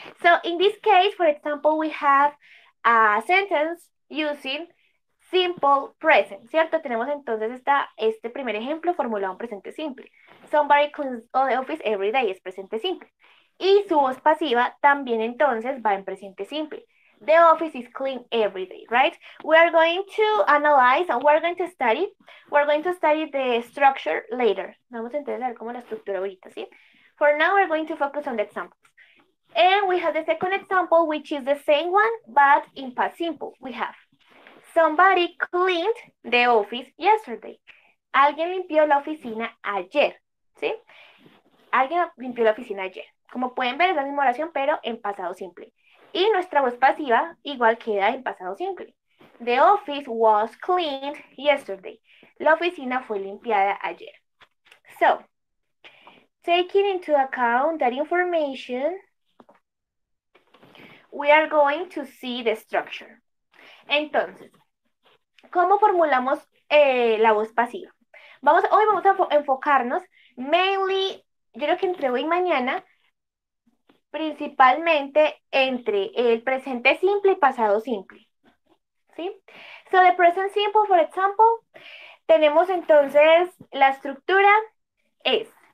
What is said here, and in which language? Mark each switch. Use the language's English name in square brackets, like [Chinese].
[English] So, in this case, for example, we have a sentence using simple present, ¿cierto? [Spanish] Tenemos entonces este primer ejemplo formulado en presente simple. [English] Somebody cleans the office every day, [Spanish] es presente simple. Y su voz pasiva también entonces va en presente simple. [English] The office is clean every day, right? We are going to analyze and we're going to study the structure later. [Spanish] Vamos a entender cómo la estructura ahorita, ¿sí? [English] For now, we're going to focus on the examples. And we have the second example, which is the same one, but in past simple. We have, somebody cleaned the office yesterday. [Spanish] Alguien limpió la oficina ayer, ¿sí? Alguien limpió la oficina ayer. Como pueden ver, es la misma oración, pero en pasado simple. Y nuestra voz pasiva igual queda en pasado simple. [English] The office was cleaned yesterday. [Spanish] La oficina fue limpiada ayer. [English] So, taking into account that information, we are going to see the structure. [Spanish] Entonces, ¿cómo formulamos la voz pasiva? Hoy vamos a enfocarnos mainly, yo creo que entre hoy y mañana, principalmente entre el presente simple y pasado simple. ¿Sí? [English] So the present simple, for example, [Spanish] tenemos entonces la estructura es.